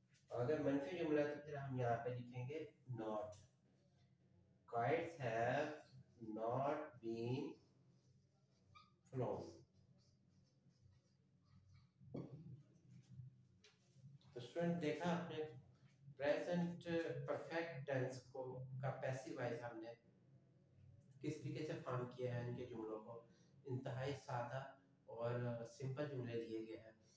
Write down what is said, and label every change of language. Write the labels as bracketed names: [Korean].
[Hindi] अगर मनफी जुमला तो फिर हम यहाँ पे लिखेंगे not. [English] Kites have not been flown. [Hindi] तो स्टूडेंट देखा आपने प्रेजेंट परफेक्ट टेंस को का पैसिव वाइज हमने किस तरीके से फॉर्म किया है, इनके जुमलों को इंतहाई सादा और सिंपल जुमले दिए गए हैं।